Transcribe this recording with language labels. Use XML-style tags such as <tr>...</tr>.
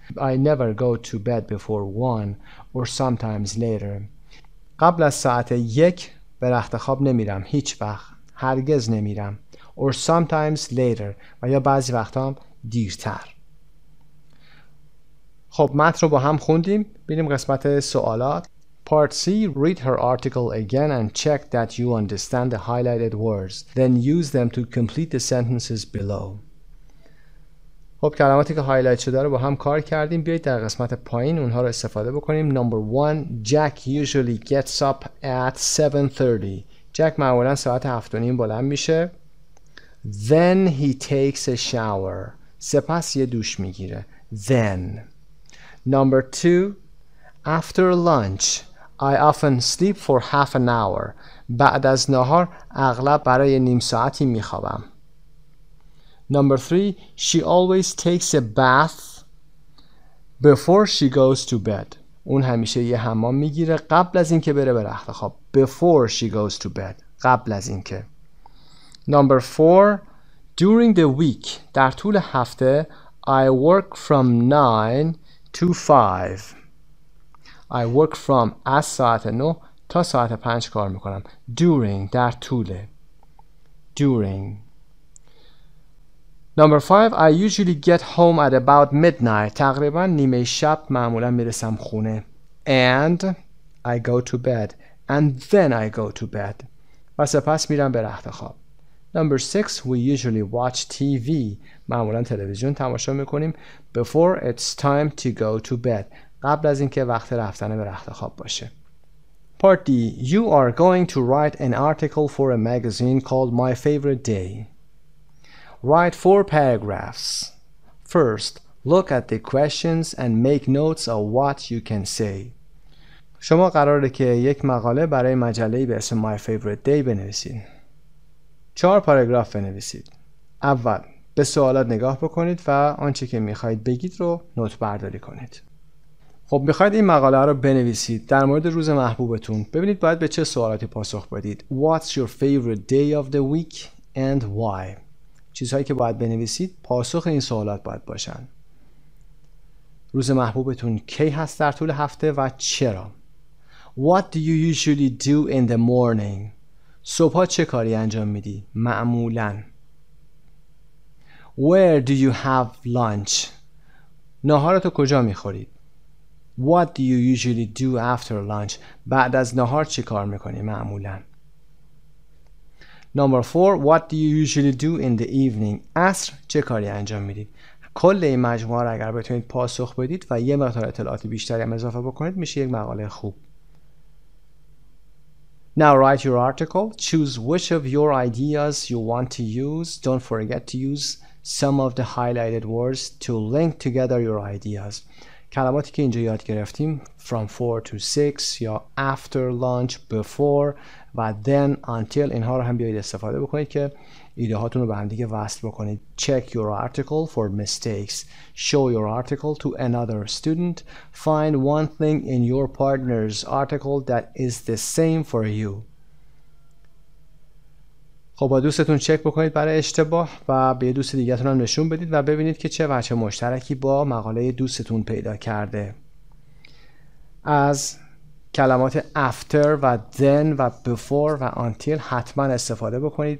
<en>I never go to bed before 1 or sometimes later.</en> <fa>قبل از ساعت 1 به رخت خواب نمیرم، هیچ وقت، هرگز نمیرم.</fa> <en>Or sometimes later</en> <fa>و یا بعضی وقتا هم دیرتر. خب متن رو با هم خوندیم، بریم قسمت سوالات.</fa> <en>Part C: Read her article again and check that you understand the highlighted words. Then use them to complete the sentences below.</en> <fa>خب کلماتی که هایلایت شده رو با هم کار کردیم، بیایید در قسمت پایین اونها رو استفاده بکنیم.</fa> <en>Number 1: Jack usually gets up at 7:30.</en> <fa>Jack معمولا ساعت 7:30 بلند میشه.</fa> <en>Then he takes a shower.</en> <fa>سپس یه دوش میگیره.</fa> <en>Then. Number 2: After lunch, I often sleep for half an hour.</en> <fa>بعد از نهار اغلب برای نیم ساعتی میخوابم.</fa> <en>Number 3: She always takes a bath before she goes to bed.</en> <fa>اون همیشه یه حمام میگیره قبل از اینکه بره به رخت خواب.</fa> <en>Before she goes to bed.</en> <fa>قبل از اینکه.</fa> <en>Number 4: During the week,</en> <fa>در طول هفته,</fa> <en>I work from 9 to 5. I work from</en> <fa>از ساعت 9 تا ساعت 5 کار میکنم. During, در طول. During.</fa> <en>Number 5: I usually get home at about midnight.</en> <fa>تقریبا نیمه شب معمولا میرسم خونه.</fa> <en>And I go to bed. And then I go to bed.</en> <fa>و سپس میرم به رخت خواب.</fa> <en>Number 6: We usually watch TV.</en> <fa>معمولا تلویزیون تماشا میکنیم.</fa> <en>Before it's time to go to bed.</en> <fa>قبل از اینکه وقت رفتن به رخت خواب باشه.</fa> <en>Part D: You are going to write an article for a magazine called My Favorite Day. Write 4 paragraphs. First, look at the questions and make notes of what you can say.</en> <fa>شما قراره که یک مقاله برای مجله‌ای به اسم My Favorite Day بنویسید. 4 پاراگراف بنویسید. اول، به سوالات نگاه بکنید و آنچه که می‌خواید بگید رو نوت برداری کنید. خب می‌خواید این مقاله رو بنویسید در مورد روز محبوبتون. ببینید باید به چه سوالاتی پاسخ بدید.</fa> <en>What's your favorite day of the week and why?</en> <fa>چیزهایی که باید بنویسید پاسخ این سوالات باید باشن. روز محبوبتون کی هست در طول هفته و چرا؟</fa> <en>What do you usually do in the morning?</en> <fa>صبح چه کاری انجام میدی؟ معمولاً.</fa> <en>Where do you have lunch?</en> <fa>نهارتو کجا میخورید؟</fa> <en>What do you usually do after lunch?</en> <fa>بعد از نهار چی کار میکنی معمولاً؟</fa> <en>Number 4: What do you usually do in the evening?</en> <fa>عصر چه کاری انجام میدید؟ کل این مجموعه رو اگر بتونید پاسخ بدید و یه مقدار اطلاعات بیشتری هم اضافه بکنید میشه یک مقاله خوب.</fa> <en>Now write your article. Choose which of your ideas you want to use. Don't forget to use some of the highlighted words to link together your ideas.</en> <fa>کلماتی که اینجا یاد گرفتیم</fa> <en>from 4 to 6</en> <fa>یا after lunch, before و then, until اینها رو هم بیایید استفاده بکنید که ایده هاتون رو به هم دیگه وصل بکنید.</fa> <en>Check your article for mistakes. Show your article to another student. Find one thing in your partner's article that is the same for you.</en> <fa>خب با دوستتون چک بکنید برای اشتباه و به دوست دیگه‌تون هم نشون بدید و ببینید که چه وجه مشترکی با مقاله دوستتون پیدا کرده. از کلمات after و then و before و until حتما استفاده بکنید.</fa>